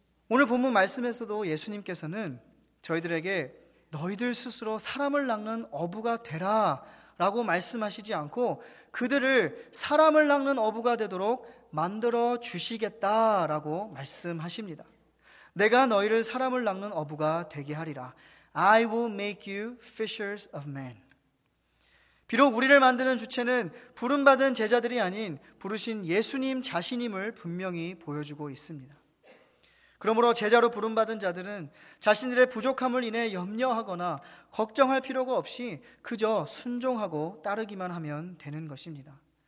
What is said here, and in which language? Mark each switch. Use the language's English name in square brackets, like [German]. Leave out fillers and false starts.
[Korean] 오늘 본문 말씀에서도 예수님께서는 저희들에게 너희들 스스로 사람을 낚는 어부가 되라 라고 말씀하시지 않고 그들을 사람을 낚는 어부가 되도록 만들어 주시겠다라고 말씀하십니다. 내가 너희를 사람을 낚는 어부가 되게 하리라. [English] I will make you fishers of men. [Korean] 비록 우리를 만드는 주체는 부름받은 제자들이 아닌 부르신 예수님 자신임을 분명히 보여주고 있습니다. 그러므로 제자로 부름받은 자들은 자신들의 부족함을 인해 염려하거나 걱정할 필요가 없이 그저 순종하고 따르기만 하면 되는 것입니다.